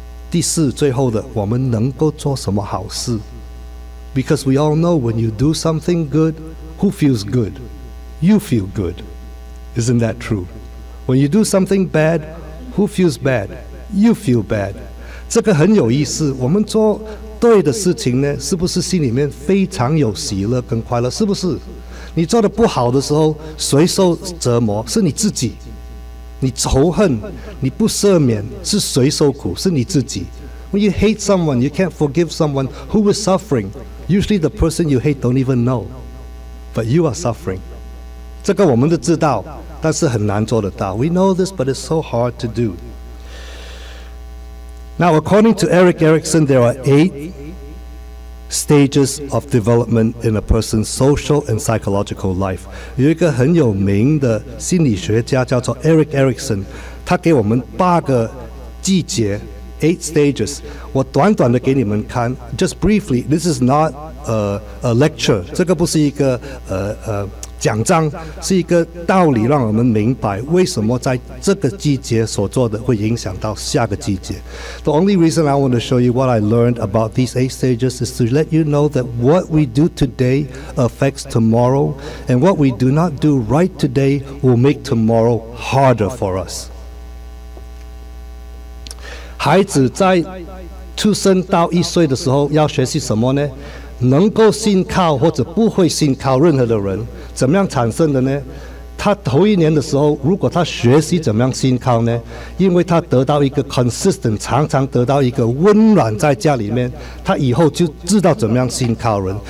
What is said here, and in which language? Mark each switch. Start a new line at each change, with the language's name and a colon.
Chinese: 第四，最后的，我们能够做什么好事？
English: Because we all know when you do something good, who feels good? You feel good. Isn't that true? When you do something bad, who feels bad? You feel bad.
Chinese: 这个很有意思，我们做对的事情呢，是不是心里面非常有喜乐跟快乐？是不是？你做的不好的时候，谁受折磨？是你自己。你仇恨，你不赦免，是谁受苦？是你自己。
English: When you hate someone, you can't forgive someone who is suffering. Usually the person you hate don't even know, but you are suffering.
Chinese: 这个我们都知道，但是很难做得到。
English: We know this, but it's so hard to do. Now, according to Eric Erickson, there are 8 stages of development in a person's social and psychological life.
Chinese: 有一个很有名的心理学家叫做 Eric Erickson， 他给我们八个季节 ，
English: 8 stages。
Chinese: 我短短的给你们看
English: ，just briefly. This is not a lecture.
Chinese: 这个不是一个讲章，是一个道理，让我们明白为什么在这个季节所做的会影响到下个季节。
English: The only reason I want to show you what I learned about these 8 stages is to let you know that what we do today affects tomorrow, and what we do not do right today will make tomorrow harder for us.
Chinese: 孩子在出生到一岁的时候要学习什么呢？能够信靠或者不会信靠任何的人，怎么样产生的呢？他头一年的时候，如果他学习怎么样信靠呢？因为他得到一个 consistent， 常常得到一个温暖在家里面，他以后就知道怎么样信靠人。